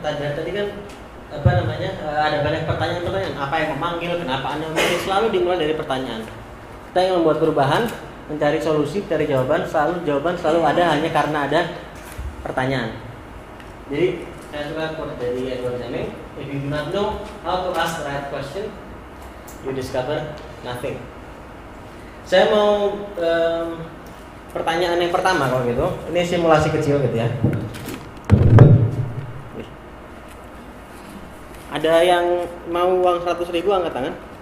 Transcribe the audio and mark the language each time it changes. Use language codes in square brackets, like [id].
[id] Tadi kan apa namanya ada banyak pertanyaan-pertanyaan. Apa yang memanggil? Kenapa Anda memilih? Selalu dimulai dari pertanyaan. Kita yang membuat perubahan, mencari solusi, mencari jawaban. Jawaban selalu ada hanya karena ada pertanyaan. Jadi saya suka quote dari Edward Deming. [en] If you do not know how to ask the right question, you discover nothing. [id] Saya mau pertanyaan yang pertama kalau gitu. Ini simulasi kecil gitu ya. Ada yang mau uang 100.000 angkat tangan?